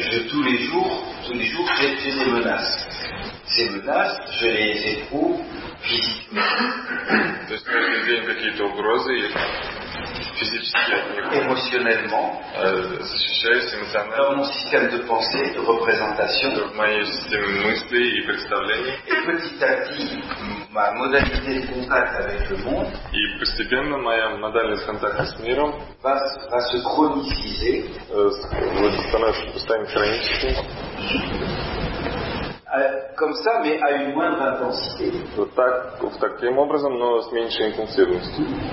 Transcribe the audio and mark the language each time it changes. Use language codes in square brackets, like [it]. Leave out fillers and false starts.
[fr] Tous les jours, j'ai des menaces. Ces menaces, je les éprouve physiquement. [ru] То есть каждый день какие-то угрозы физически, [fr] эмоциональнement, [ru] защищаюсь эмоционально, [fr] dans mon système de pensée, de représentation, [ru] в моей системе мыслей и представлений, [fr] et petit à petit, ma modalité de contact avec le monde, [ru] и постепенно моя модальность контакта с миром, [fr] va se chroniciser, [ru] станет хроническим. [fr] Comme ça, mais à une moindre intensité. [ru] Таким образом, но с меньшей интенсивностью.